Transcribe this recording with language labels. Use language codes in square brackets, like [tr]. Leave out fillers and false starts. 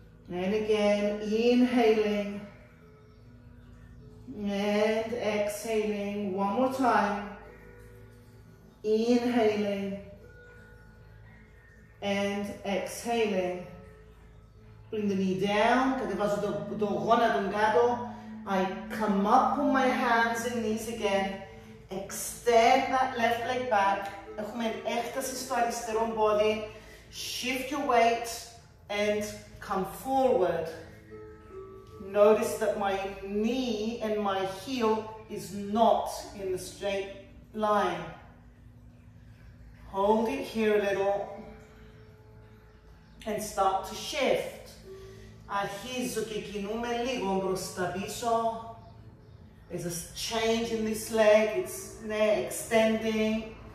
[en] And again, inhaling and exhaling. One more time. Inhaling and exhaling. Bring the knee down. [el] Κατεβάζω το γόνατο κάτω. [en] I come up on my hands and knees again. Extend that left leg back. [el] Έχουμε έκταση στο αριστερό πόδι. [en] Shift your weight and come forward. Notice that my knee and my heel is not in the straight line. Hold it here a little and start to shift. [el] Αρχίζω και κινούμε λίγο μπροστά πίσω. [en] There's a change in this leg, it's extending.